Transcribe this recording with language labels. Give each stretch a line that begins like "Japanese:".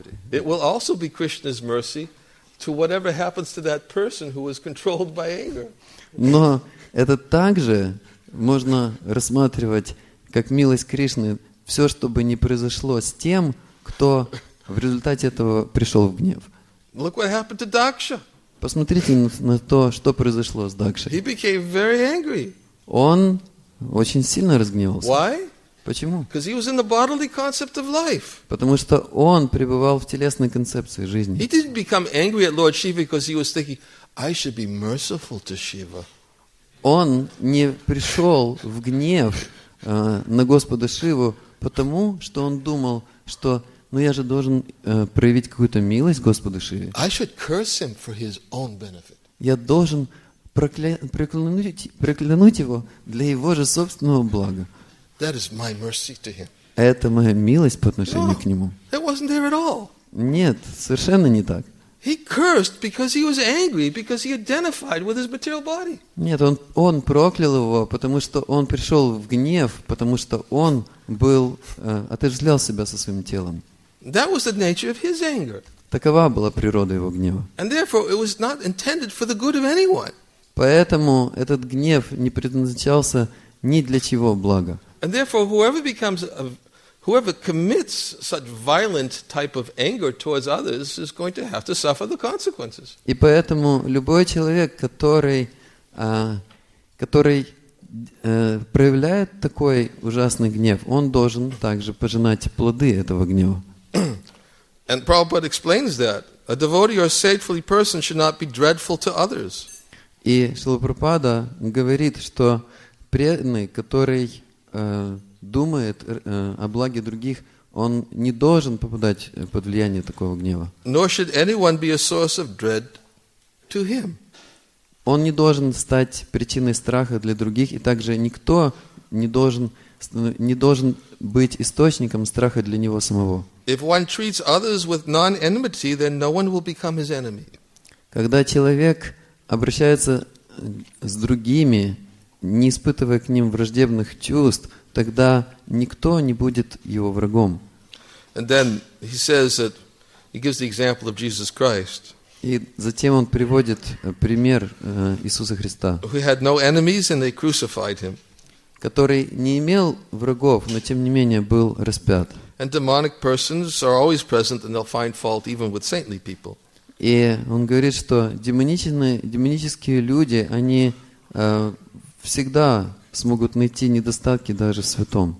English: It will also be Krishna's mercy to whatever happens to that person who is controlled by anger.
Russian: Но это также можно рассматривать как милость Кришны все, что бы ни произошло с тем, кто в результате этого пришел в гнев.
English: Look what happened to Daksha.
Russian: Посмотрите на то, что произошло с Дакшей.
English: He became very angry.
Russian: Он очень сильно разгневался.
English: Why?
Russian: Почему?
English: Because he was in the bodily concept of life.
Russian: Потому что он пребывал в телесной концепции жизни.
English: He didn't become angry at Lord Shiva because he was thinking, I should be merciful to Shiva.
Russian: Он не пришел в гнев на Господа Шиву, потому что он думал, что но я же должен проявить какую-то милость Господу Шиве.
English: I should curse him for his own benefit.
Russian: Я должен проклянуть его для его же собственного блага.
English: That is my mercy to him.
Russian: Это моя милость по отношению
English: no,
Russian: к нему.
English: It wasn't there at all.
Russian: Нет, совершенно не так.
English: He cursed because he was angry because he identified with his material body.
Russian: Нет, он проклял его, потому что он пришел в гнев, потому что он был отождествлял себя со своим телом.
English: That was the nature of his anger.
Russian: Такова была природа его гнева.
English: And therefore, it was not intended for the good of anyone.
Russian: Поэтому этот гнев не предназначался ни для чего блага.
English: And therefore, whoever commits such violent type of anger towards others is going to have to suffer the consequences.
Russian: И поэтому любой человек, который проявляет такой ужасный гнев, он должен также пожинать плоды этого гнева.
English: And Prabhupada explains that a devotee or saintly person should not be dreadful to others.
Russian: И Шрила Прабхупада говорит, что преданный, который думает о благе других, он не должен попадать под влияние такого гнева.
English: Nor should anyone be a source of dread to him.
Russian: Он не должен стать причиной страха для других, и также никто не должен быть источником страха для него самого.
English: If one treats others with non-enmity, then no one will become his enemy.
Russian: Когда человек обращается с другими, не испытывая к ним враждебных чувств, тогда никто не будет его врагом.
English: And then he says that he gives the example of Jesus Christ.
Russian: И затем он приводит пример Иисуса Христа.
English: Who had no enemies and they crucified him.
Russian: Который не имел врагов, но тем не менее был распят.
English: And demonic persons are always present and they'll find fault even with saintly people.
Russian: И он говорит, что демонические люди, они всегда смогут найти недостатки даже в святом.